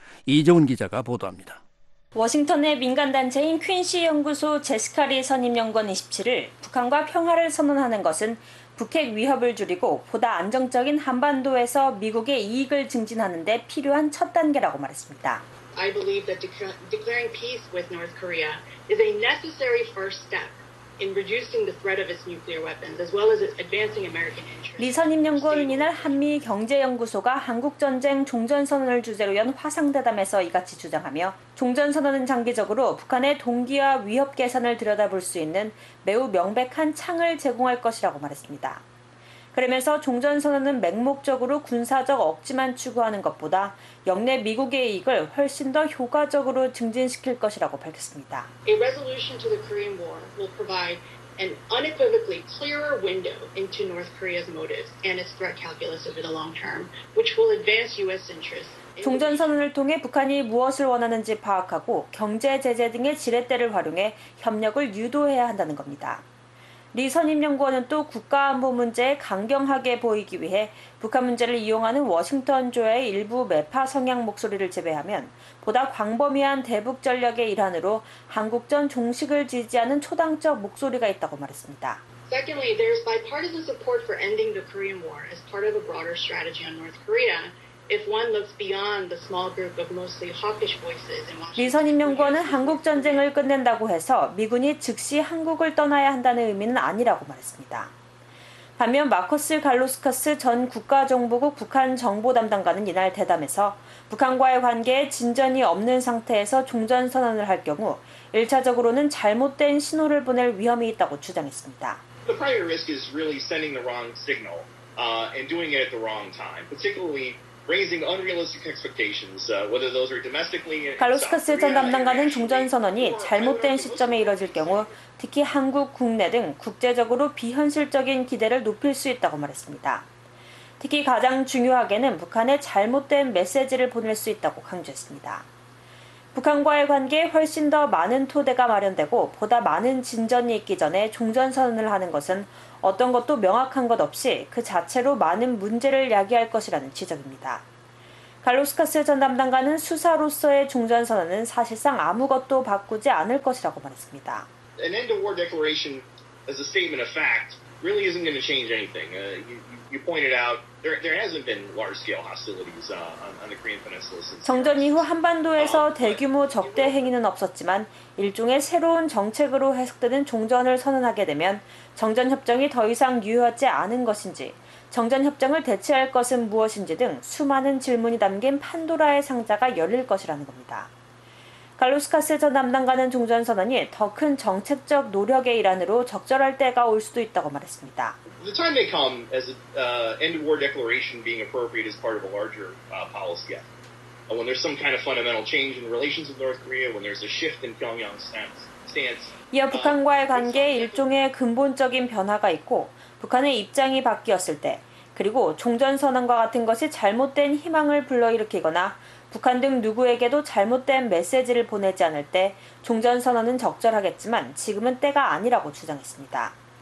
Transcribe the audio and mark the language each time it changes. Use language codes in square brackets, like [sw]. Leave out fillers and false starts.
[ko] 이종훈 기자가 보도합니다. 워싱턴의 민간단체인 퀸시 연구소 제스카리 선임연구원 27일 북한과 평화를 선언하는 것은 북핵 위협을 줄이고 보다 안정적인 한반도에서 미국의 이익을 증진하는 데 필요한 첫 단계라고 말했습니다. [en] I believe that declaring peace with North Korea is a necessary first step. In reducing the threat of its nuclear weapons, as well as advancing American interests. [ko] 리 선임연구원은 이날 한미 경제연구소가 한국 전쟁 종전 선언을 주제로 연 화상 대담에서 이같이 주장하며, 종전 선언은 장기적으로 북한의 동기와 위협 개선을 들여다볼 수 있는 매우 명백한 창을 제공할 것이라고 말했습니다. 그러면서 종전선언은 맹목적으로 군사적 억지만 추구하는 것보다 역내 미국의 이익을 훨씬 더 효과적으로 증진시킬 것이라고 밝혔습니다. [en] A resolution to the Korean War will provide an unequivocally clearer window into North Korea's motives and its threat calculus over the long term, which will advance U.S. interests. [ko] 종전선언을 통해 북한이 무엇을 원하는지 파악하고 경제 제재 등의 지렛대를 활용해 협력을 유도해야 한다는 겁니다. 리 선임연구원은 또 국가안보 문제에 강경하게 보이기 위해 북한 문제를 이용하는 워싱턴 조의 일부 매파 성향 목소리를 제외하면 보다 광범위한 대북 전략의 일환으로 한국전 종식을 지지하는 초당적 목소리가 있다고 말했습니다. [en] Secondly, there's bipartisan support for ending the Korean War as part of a broader strategy on North Korea. If one looks beyond the small group of mostly hawkish voices in Washington, [ko] 미 선임연구원은 한국 전쟁을 끝낸다고 해서 미군이 즉시 한국을 떠나야 한다는 의미는 아니라고 말했습니다. 반면 마커스 갈로스커스 전 국가정보국 북한 정보 담당관은 이날 대담에서 북한과의 관계에 진전이 없는 상태에서 종전 선언을 할 경우 1차적으로는 잘못된 신호를 보낼 위험이 있다고 주장했습니다. [en] The prior risk is really sending the wrong signal and doing it at the wrong time, particularly. Raising unrealistic expectations, whether those are domestically. [ko] 갈로스커스 전 담당관은 종전 선언이 잘못된 시점에 이뤄질 경우 특히 한국 국내 등 국제적으로 비현실적인 기대를 높일 수 있다고 말했습니다. 특히 가장 중요하게는 북한에 잘못된 메시지를 보낼 수 있다고 강조했습니다. 북한과의 관계에 훨씬 더 많은 토대가 마련되고 보다 많은 진전이 있기 전에 종전 선언을 하는 것은 어떤 것도 명확한 것 없이 그 자체로 많은 문제를 야기할 것이라는 지적입니다. 갈로스카스 전 담당관은 수사로서의 종전 선언은 사실상 아무것도 바꾸지 않을 것이라고 말했습니다. [en] An end of war declaration as a statement of fact really isn't going to change anything. You pointed out there hasn't been large-scale hostilities on the Korean Peninsula since. [ko] 정전 이후 한반도에서 대규모 적대 행위는 없었지만 일종의 새로운 정책으로 해석되는 종전을 선언하게 되면 정전 협정이 더 이상 유효하지 않은 것인지, 정전 협정을 대체할 것은 무엇인지 등 수많은 질문이 담긴 판도라의 상자가 열릴 것이라는 겁니다. 갈로스카스 전 담당관은 종전 선언이 더 큰 정책적 노력의 일환으로 적절할 때가 올 수도 있다고 말했습니다. [en] The time may come as end of war declaration being appropriate as part of a larger policy effort. When there's some kind of fundamental change in relations with North Korea, when there's a shift in Pyongyang's stance. [ko] 이어 북한과의 관계에 일종의 근본적인 변화가 있고 북한의 입장이 바뀌었을 때, 그리고 종전 선언과 같은 것이 잘못된 희망을 불러일으키거나 북한 등 누구에게도 잘못된 메시지를 보내지 않을 때 종전선언은 적절하겠지만 지금은 때가 아니라고 주장했습니다.